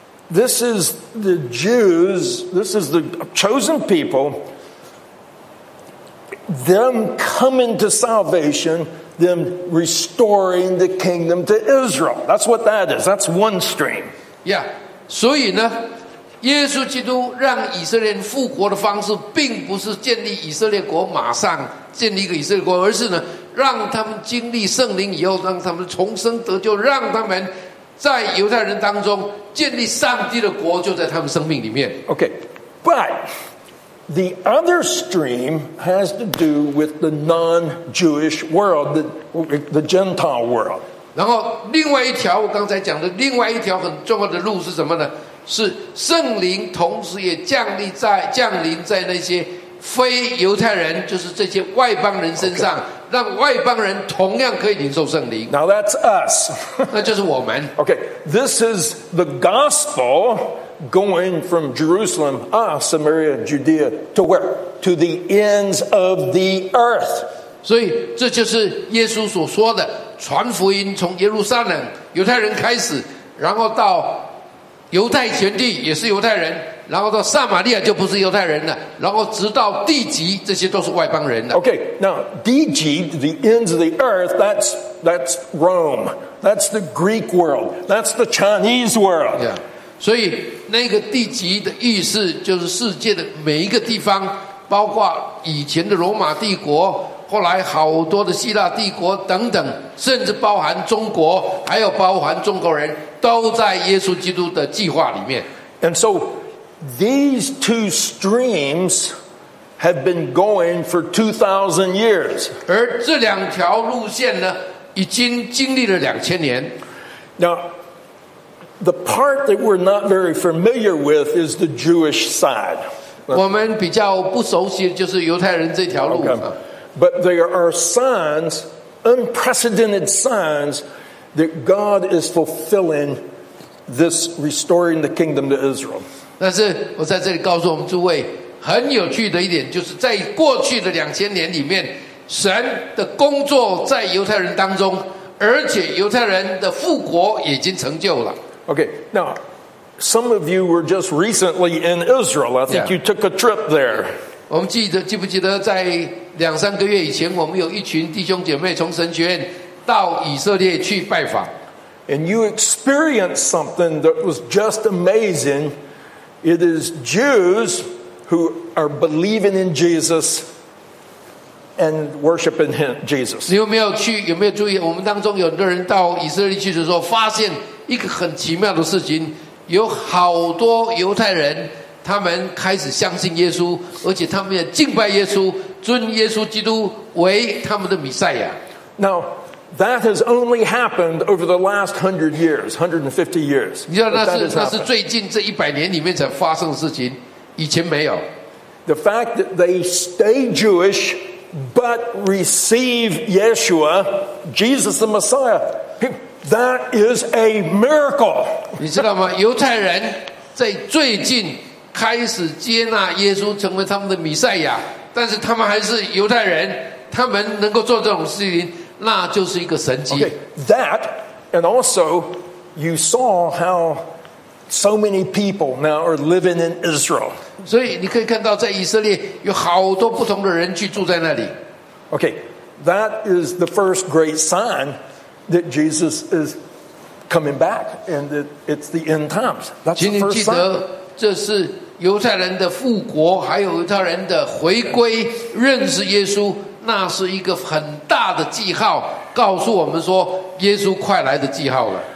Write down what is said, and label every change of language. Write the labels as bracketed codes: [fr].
[en] This is the Jews, this is the chosen people, them coming to salvation, them restoring the kingdom to Israel. That's what that is. That's one stream. Yeah. [zh] 所以呢，耶稣基督让以色列复活的方式并不是建立以色列国，马上建立一个以色列国，而是呢，让他们经历圣灵以后，让他们重生得救，让他们在犹太人当中建立上帝的国，就在他们生命里面。 [en] Okay, but the other stream has to do with the non-Jewish world, the Gentile world. [zh] 然后另外一条，我刚才讲的另外一条很重要的路是什么呢？是圣灵同时也降临在那些非犹太人，就是这些外邦人身上。 [en] Okay. [zh] 让外邦人同样可以领受圣灵。 [en] Now that's us. [zh] 那就是我们。 [en] Okay, this is the gospel going from Jerusalem, Samaria, Judea, to where? To the ends of the earth. [zh] 所以这就是耶稣所说的传福音，从耶路撒冷犹太人开始，然后到犹太全地也是犹太人，然后到撒玛利亚就不是犹太人了，然后直到地极，这些都是外邦人了。 [en] Okay, now, 地极, the ends of the earth, that's Rome. That's the Greek world. That's the Chinese world. Yeah. [zh] 所以那个地极的意思就是世界的每一个地方，包括以前的罗马帝国，后来好多的希腊帝国等等，甚至包含中国，还有包含中国人，都在耶稣基督的计划里面。 [en] And so,these two streams have been going for 2,000 years. [zh] 而这两条路线呢，已经经历了2000年。 [en] Now, the part that we're not very familiar with is the Jewish side. [zh] 我们比较不熟悉的就是犹太人这条路。 [en] Okay. But there are signs, unprecedented signs, that God is fulfilling this restoring the kingdom to Israel. [zh] 但是我在这里告诉我们诸位，很有趣的一点，就是在过去的2000年里面，神的工作在犹太人当中，而且犹太人的复国已经成就了。 [en] Okay, now some of you were just recently in Israel. I think、yeah. you took a trip there. [zh] 我们记不记得在两三个月以前，我们有一群弟兄姐妹从神学院到以色列去拜访。 [en] And you experienced something that was just amazing. It is Jews who are believing in Jesus and worshiping him, Jesus. [zh] 你有没有去？有没有注意？我们当中有很多人到以色列去的时候，发现一个很奇妙的事情：有好多犹太人，他们开始相信耶稣，而且他们也敬拜耶稣，尊耶稣基督为他们的弥赛亚。 [en] Now. That has only happened over the last 100 years, 150 years. [zh] 你知道那是最近这一百年里面才发生的事情，以前没有。 The fact that they stay Jewish but receive Yeshua, Jesus the Messiah, that is a miracle. 你知道吗？犹太人在最近开始接纳耶稣成为他们的弥赛亚，但是他们还是犹太人，他们能够做这种事情。那就是一个神迹。 [en] Okay, that, and also, you saw how so many people now are living in Israel. [zh] 所以你可以看到在以色列有好多不同的人去住在那里。 [en] Okay, that is the first great sign that Jesus is coming back, and that it's the end times. That's the first sign. [zh] 请你记得，这是犹太人的复国，还有犹太人的回归，认识耶稣。那是一个很大的记号，告诉我们说耶稣快来的记号了。